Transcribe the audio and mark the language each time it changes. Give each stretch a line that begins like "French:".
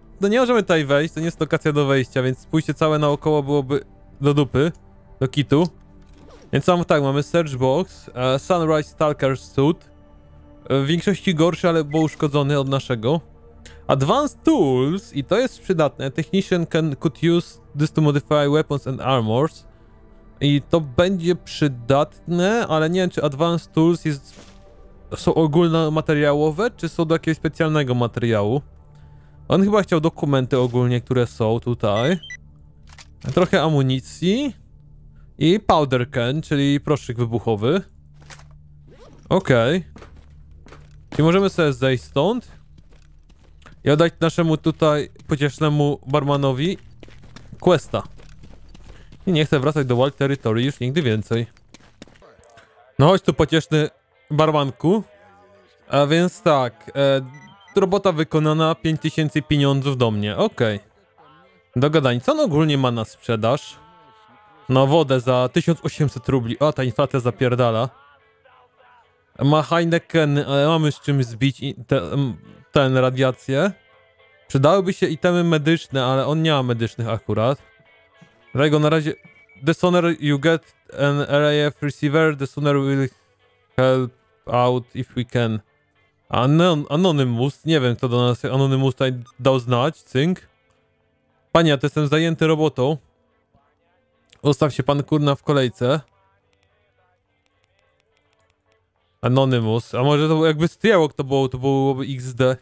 Polish: No nie możemy tutaj wejść, to nie jest lokacja do wejścia, więc pójście całe naokoło byłoby do dupy, do kitu. Więc mam tak, mamy Search Box, Sunrise Stalker Suit. W większości gorszy, ale był uszkodzony od naszego. Advanced Tools, i to jest przydatne.
English: Technician can could use this to modify weapons and armors.
Polish: I to będzie przydatne, ale nie wiem, czy Advanced Tools jest, są ogólnomateriałowe, czy są do jakiegoś specjalnego materiału. On chyba chciał dokumenty ogólnie, które są tutaj. Trochę amunicji. I powder can, czyli proszek wybuchowy. Okej. Czyli możemy sobie zejść stąd. I oddać naszemu tutaj pociesznemu barmanowi questa. I nie chcę wracać do Wild Territory już nigdy więcej. No chodź tu, pocieszny barmanku. A więc tak... Robota wykonana, 5000 pieniądzów do mnie. Okej. Okay. Dogadań, co on ogólnie ma na sprzedaż? No wodę za 1800 rubli. O, ta inflacja zapierdala. Ma Heineken, ale mamy z czymś zbić ten radiację. Przydałyby się itemy medyczne, ale on nie ma medycznych akurat. Dlatego na razie...
English: The sooner you get an RAF receiver, the sooner we'll help out if we can.
Polish: Anonymous, nie wiem, kto do nas Anonymous tutaj dał znać, cynk. Panie, ja to jestem zajęty robotą. Ustaw się pan, kurna, w kolejce. Anonymous, a może to jakby stryjało, kto było, to byłoby XD.